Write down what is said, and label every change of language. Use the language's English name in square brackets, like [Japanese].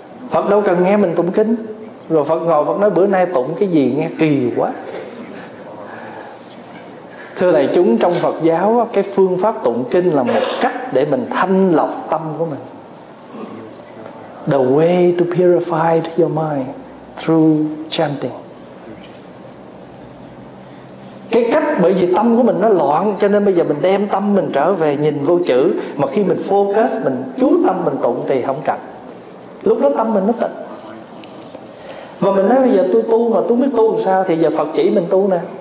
[Vietnamese] Phật đâu cần nghe mình tụng kinh. Rồi Phật ngồi Phật nói bữa nay tụng cái gì nghe kỳ quá. Thưa đại chúng, trong Phật giáo cái phương pháp tụng kinh là một cách để mình thanh lọc tâm của mình. [English] The way to purify your mind through chanting. [Vietnamese] Cái cách, bởi vì tâm của mình nó loạn, cho nên bây giờ mình đem tâm mình trở về nhìn vô chữ. Mà khi mình focus, mình chú tâm mình tụng thì không cần. Lúc đó tâm mình nó tịnh. Và mình nói bây giờ tôi tu mà tôi biết tu làm sao, thì giờ Phật chỉ mình tu nè.